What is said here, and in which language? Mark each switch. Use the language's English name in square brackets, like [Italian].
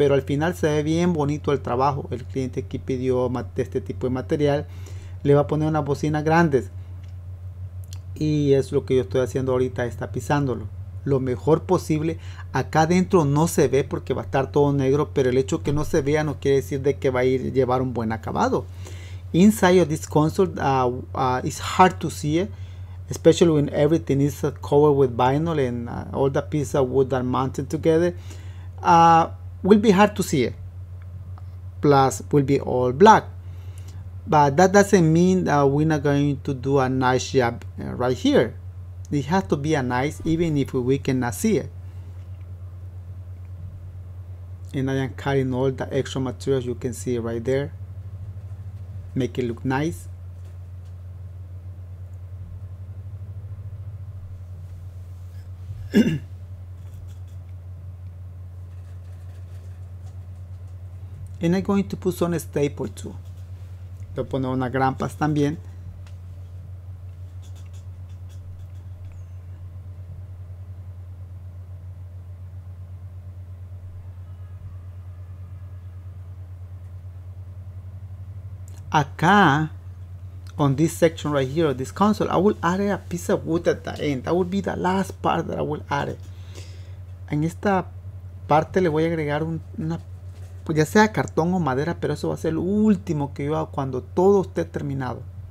[Spanish] Pero al final se ve bien bonito el trabajo. El cliente que pidió este tipo de material le va a poner unas bocinas grandes. Y es lo que yo estoy haciendo ahorita, es tapizándolo lo mejor posible. Acá adentro no se ve porque va a estar todo negro, pero el hecho que no se vea no quiere decir de que va a ir llevar un buen acabado. [English] Inside of this console, it's hard to see it, especially when everything is covered with vinyl and all the pieces of wood are mounted together. Will be hard to see it. Plus, will be all black. But that doesn't mean that we're not going to do a nice job right here. It has to be a nice, even if we cannot see it. And I am cutting all the extra materials. You can see it right there. Make it look nice. And I'm going to put some staple too. [Spanish] Voy a poner unas grampas también. [English] Acá, on this section right here, this console, I will add a piece of wood at the end. That will be the last part that I will add it. [Spanish] En esta parte le voy a agregar una, ya sea cartón o madera, pero eso va a ser lo último que yo hago cuando todo esté terminado.